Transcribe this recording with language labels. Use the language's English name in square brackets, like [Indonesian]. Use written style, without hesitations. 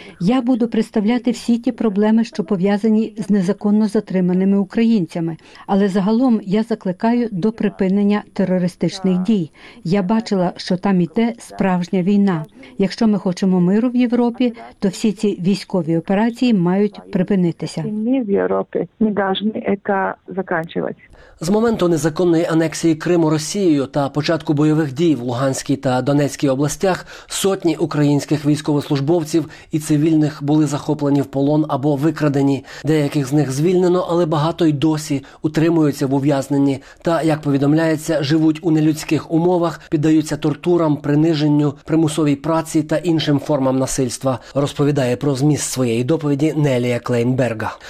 [Ukrainian] Я буду представляти всі ті проблеми, що пов'язані з незаконно затриманими українцями. Але загалом я закликаю до припинення терористичних дій. Я бачила, що там іде справжня війна. Якщо ми хочемо миру в Європі, то всі ці військові операції мають припинитися. роки. [Russian] Не должны это заканчивать. [Ukrainian] З моменту незаконної анексії Криму Росією та початку бойових дій в Луганській та Донецькій областях сотні українських військовослужбовців і цивільних були захоплені в полон або викрадені. Деяких з них звільнено, але багато й досі утримуються в ув'язненні та, як повідомляється, живуть у нелюдських умовах, піддаються тортурам, приниженню, примусовій праці та іншим формам насильства, розповідає про зміст своєї доповіді Нелія Клейнберга.